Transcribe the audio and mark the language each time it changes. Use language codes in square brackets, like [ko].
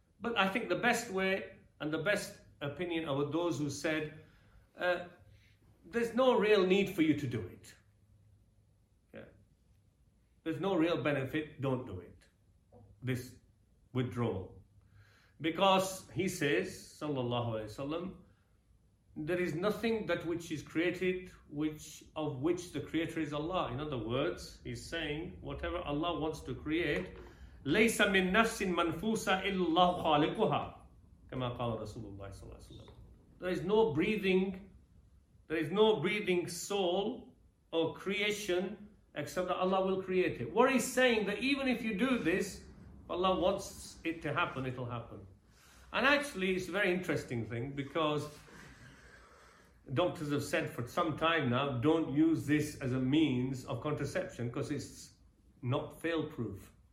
[en] But I think the best way, and the best opinion of those who said, there's no real need for you to do it. Yeah. There's no real benefit, don't do it. This withdrawal. Because he says, Sallallahu Alaihi Wasallam, there is nothing that which is created which of which the creator is Allah. In other words, he's saying, whatever Allah wants to create, [ar] لَيْسَ مِن نَفْسٍ مَنْفُوسَ إِلَّا خَالِقُهَا كَمَا قَالَ رَسُولُ اللَّهِ صَلَّى اللَّهُ عَلَيْهِ وَسَلَّمَ. [en] There is no breathing, there is no breathing soul or creation except that Allah will create it. What he's saying, that even if you do this, Allah wants it to happen, it'll happen. And actually, it's a very interesting thing, because doctors have said for some time now, don't use this as a means of contraception, because it's not fail-proof.